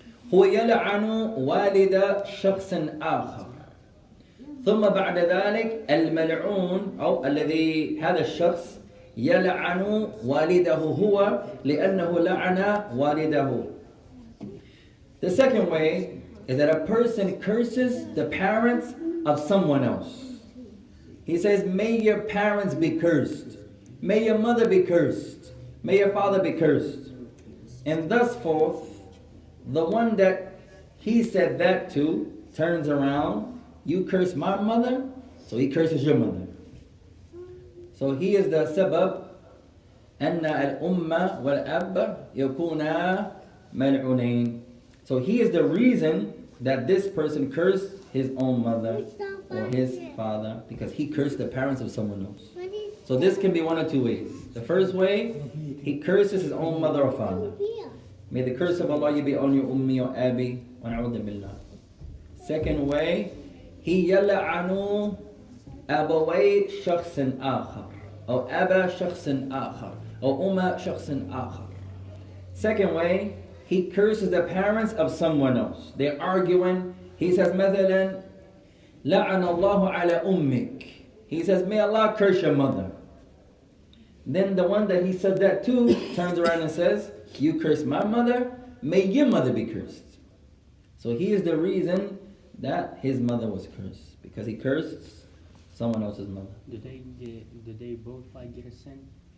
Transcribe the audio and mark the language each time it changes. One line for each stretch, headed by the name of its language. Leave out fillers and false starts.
Arabic: هُوَ يَلَعَنُ وَالِدَ شَخْصٍ آخَرٍ ثُمَّ بَعْدَ ذَلِكَ الْمَلْعُونَ أو الَّذِي هَذَا الشَّخْصِ يلعن والده هو لأنه لعن والده.
English: The second way is that a person curses the parents of someone else. He says, may your parents be cursed. May your mother be cursed. May your father be cursed. And thus forth, the one that he said that to turns around, you curse my mother, so he curses your mother. So he is the sabab.
Arabic: أَنَّ الْأُمَّ وَالْأَبَّ يَكُونَا مَلْعُنَيْنَ.
English: So he is the reason that this person cursed his own mother or his father, because he cursed the parents of someone else. So this can be one of two ways. The first way, he curses his own mother or father. May the curse of Allah be on your ummi or abi.
Arabic: وَنَعُوذِ بِاللَّهِ.
English: Second way, he
Arabic: يَلَعَنُ أَبَوَيْ شَخْصٍ آخَرٍ أو أبا شخص آخر أو أمة شخص آخر.
English: Second way, he curses the parents of someone else. They're arguing. He says,
Arabic: مثلاً لعن الله على أمك.
English: He says, may Allah curse your mother. Then the one that he said that to turns around and says, you curse my mother, may your mother be cursed. So he is the reason that his mother was cursed, because he cursed someone else's mother. Did they both like get a sin?